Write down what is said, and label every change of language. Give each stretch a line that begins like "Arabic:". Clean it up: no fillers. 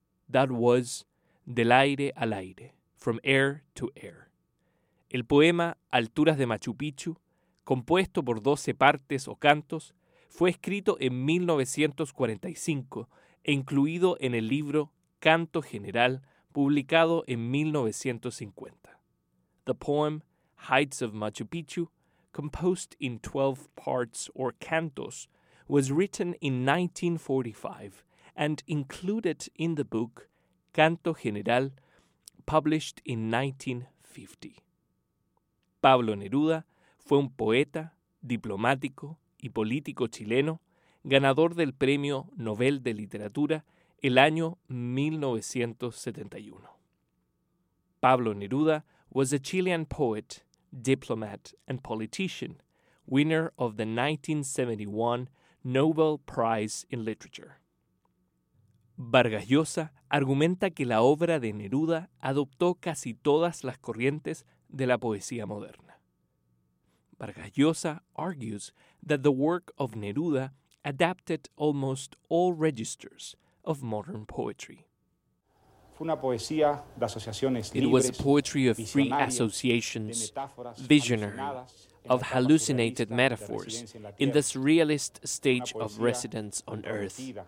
English: That was Del Aire al Aire, From Air to Air.
Spanish: El poema Alturas de Machu Picchu, compuesto por 12 partes o cantos, fue escrito en 1945 e incluido en el libro Canto General, publicado en 1950.
English: The poem Heights of Machu Picchu, composed in 12 parts or cantos, was written in 1945 and included in the book Canto General, published in 1950.
Spanish: Pablo Neruda fue un poeta, diplomático y político chileno, ganador del Premio Nobel de Literatura el año 1971.
English: Pablo Neruda was a Chilean poet, diplomat, and politician, winner of the 1971 Nobel Prize in Literature.
Spanish: Vargas Llosa argumenta que la obra de Neruda adoptó casi todas las corrientes de la poesía moderna.
English: Vargas Llosa argues that the work of Neruda adapted almost all registers of modern poetry. It was a poetry of free associations, visionary, of hallucinated metaphors, in the surrealist stage of residence on Earth.